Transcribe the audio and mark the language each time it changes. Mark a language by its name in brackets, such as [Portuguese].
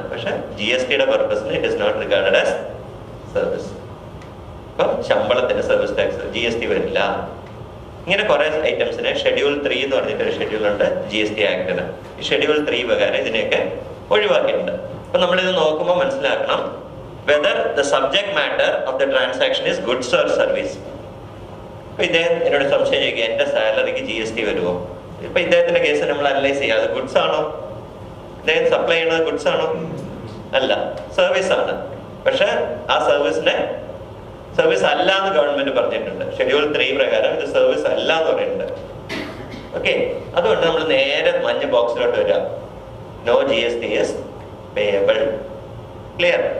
[Malayalam] പക്ഷെ G S ടിയുടെ പർപ്പസിന് [English] It is not regarded as service. [Malayalam] ഇപ്പം ശമ്പളത്തിന്റെ service tax G S T വരില്ല. ഇങ്ങനെ കുറെ ഐറ്റംസിന് ഷെഡ്യൂൾ 3 എന്ന് പറഞ്ഞിട്ടൊരു ഷെഡ്യൂൾ ഉണ്ട് ജി എസ് ടി ആക്ടിന്. ഈ ഷെഡ്യൂൾ 3 പ്രകാരം ഇതിനെയൊക്കെ ഒഴിവാക്കിയിട്ടുണ്ട്. അപ്പൊ നമ്മളിത് നോക്കുമ്പോൾ മനസ്സിലാക്കണം [English] whether the subject matter of the transaction is goods or service. [Malayalam] ഇപ്പൊ ഇദ്ദേഹം എന്നോട് സംശയം ചോദിക്കുക, എന്റെ സാലറിക്ക് ജി എസ് ടി വരുമോ? ഇപ്പൊ ഇദ്ദേഹത്തിന്റെ കേസ് നമ്മൾ അനലൈസ് ചെയ്യുക, അത് ഗുഡ്സ് ആണോ? ഇദ്ദേഹം സപ്ലൈ ചെയ്യുന്നത് ഗുഡ്സ് ആണോ? അല്ല, സർവീസ് ആണ്. പക്ഷെ ആ സർവീസിനെ സർവീസ് അല്ല എന്ന് ഗവൺമെന്റ് പറഞ്ഞിട്ടുണ്ട്. ഷെഡ്യൂൾ 3 പ്രകാരം ഇത് സർവീസ് അല്ല എന്ന് പറയുന്നുണ്ട്. ഓക്കെ, അതുകൊണ്ട് നമ്മൾ നേരെ മഞ്ഞ ബോക്സിലോട്ട് വരാം, [English] No G S T is payable. [Malayalam] Clear?